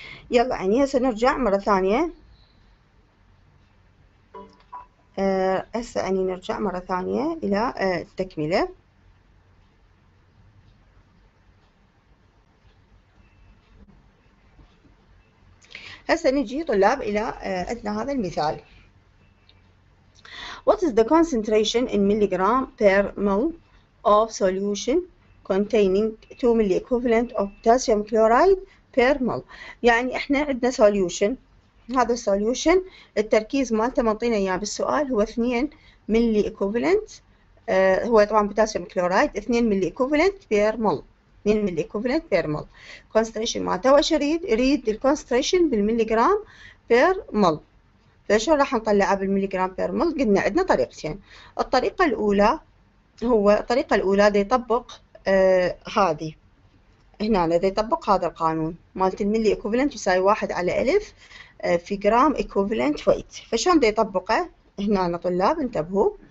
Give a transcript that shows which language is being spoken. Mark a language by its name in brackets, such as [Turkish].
[Arabic] يلا يعني هسه نرجع مرة ثانية، هسه يعني نرجع مرة ثانية إلى التكملة. هسه نجي طلاب إلى عندنا هذا المثال. [English] What is the concentration in milligram per mole of solution containing 2 milli equivalent of potassium chloride per mole؟ [Arabic] يعني احنا عندنا solution، هذا solution التركيز مالته معطينا اياه بالسؤال هو 2 milli equivalent، هو طبعا potassium chloride 2 milli equivalent per mole، 2 milli equivalent per mole concentration مالته. وش اريد؟ اريد ال concentration بالمليجرام per mole. فشو راح نطلعها بالمليجرام per mole؟ قلنا عندنا طريقتين، الطريقة الأولى هو الطريقة الأولى دي يطبق هذه هنا، اذا يطبق هذا القانون مالت الملي ايكوفالنت يساوي 1 على 1000 في جرام ايكوفالنت ويت. فشلون بده يطبقه؟ هنا طلاب انتبهوا،